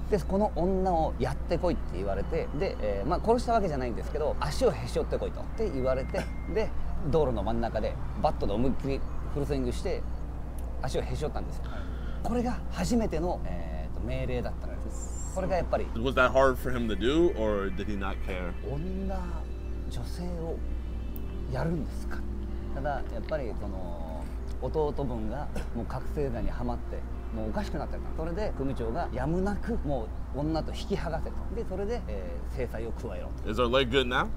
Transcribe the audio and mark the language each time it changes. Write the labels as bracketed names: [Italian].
[Japanese] でこの女をやってこいって言われて、で、まあ殺したわけじゃないんですけど、足をへし折ってこいとって言われて、で道路の真ん中でバットで思いっきりフルスイングして足をへし折ったんですよ。これが初めての、命令だったんです。これがやっぱり [English] Was that hard for him to do or did he not care? [Japanese] 女、女性をやるんですか。ただやっぱりその弟分がもう覚醒剤にはまってもうおかしくなってた。それで組長がやむなくもう女と引き剥がせと。でそれで、制裁を加えろと。 [English] Is our leg good now?